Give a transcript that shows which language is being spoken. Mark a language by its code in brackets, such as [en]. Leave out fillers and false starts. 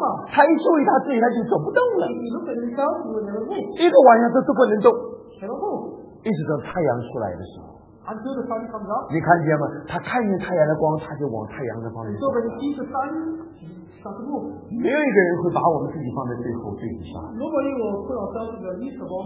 [zh] 他一注意他自己，他就走不动了。一个晚上都不能动。一直到太阳出来的时候， [en] Until the sun comes up, [zh] 你看见吗？他看见太阳的光，他就往太阳的方向走。 [en] So when he sees the sun, he starts to move. [zh] 没有一个人会把我们自己放在最后最底下。 [en] Nobody will put ourselves in the least of all.